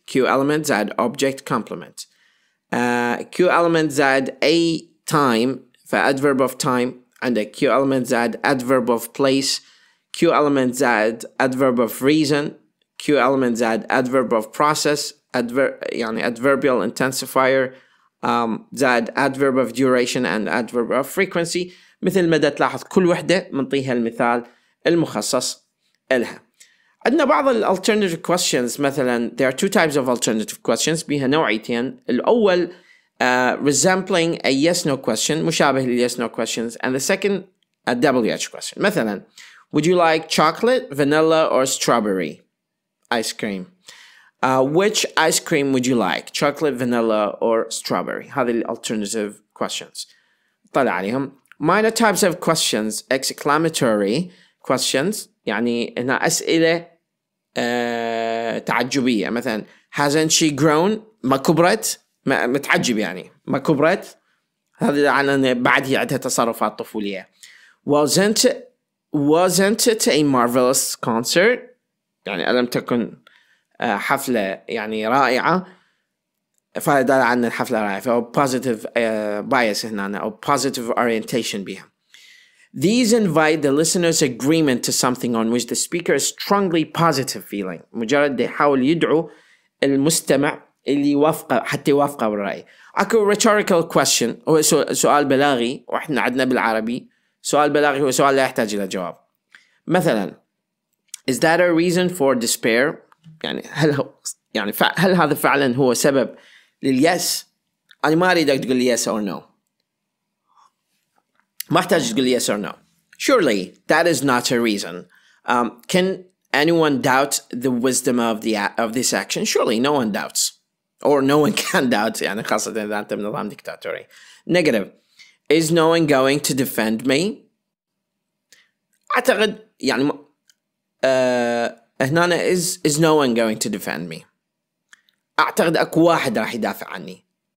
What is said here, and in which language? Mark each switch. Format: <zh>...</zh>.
<en>Q element زائد object complement. Q element زائد a time, for adverb of time, and a Q element زائد adverb of place. Q element زائد adverb of reason. Q element زائد adverb of process.</en> <ar>يعني</ar> <en>adverbial intensifier. زائد adverb of duration and adverb of frequency.</en> <ar>مثل ما تلاحظ كل وحدة منطيها المثال المخصص إلها. عندنا بعض alternative questions.</ar> <en>مثلا, there are two types of alternative questions.</en> <ar>بيها نوعيتين. الأول</ar> <en>resembling a yes-no question,</en> <ar>مشابه لyes-no questions.</ar> <en>And the second, a WH question.</en> <ar>مثلا,</ar> <en>would you like chocolate, vanilla, or strawberry ice cream? Which ice cream would you like? Chocolate, vanilla, or strawberry?</en> <ar>هذه alternative questions. طلع عليهم.</ar> <en>Minor types of questions. Exclamatory questions.</en> <ar>يعني هنا أسئلة تعجبية. مثلا,</ar> <en>hasn't she grown?</en> <ar>ما كبرت؟ متعجب يعني. ما كبرت؟ هذه عن بعد هي عندها تصرفات طفولية.</ar> <en>Wasn't it a marvelous concert?</en> <ar>يعني ألم تكن حفلة يعني رائعة. فده عن الحفلة الرائعة أو positive bias هنا أو positive orientation بها.</ar> <en>These invite the listener's agreement to something on which the speaker is strongly positive feeling.</en> <ar>مجرد يحاول يدعو المستمع اللي يوافقه حتى يوافقه بالرأي. أكو rhetorical question هو سؤال بلاغي وإحنا عدنا بالعربي سؤال بلاغي هو سؤال لا يحتاج إلى جواب. مثلا</ar> <en>is that a reason for despair؟</en> <ar>يعني هل هذا فعلا هو سبب لليأس؟ أنا ما أريدك تقول لي</ar> <en>yes or no.</en> <ar>ما أحتاج تقول لي</ar> <en>yes or no. Surely that is not a reason. Can anyone doubt the wisdom of this action? Surely no one doubts. Or no one can doubt.</en> <ar>يعني خاصة إذا أنت من نظام ديكتاتوري.</ar> <en>Negative. Is no one going to defend me?</en> <ar>أعتقد يعني هنا</ar> <en>is no one going to defend me.</en> <ar>أعتقد أكو واحد راح يدافع عني.</ar>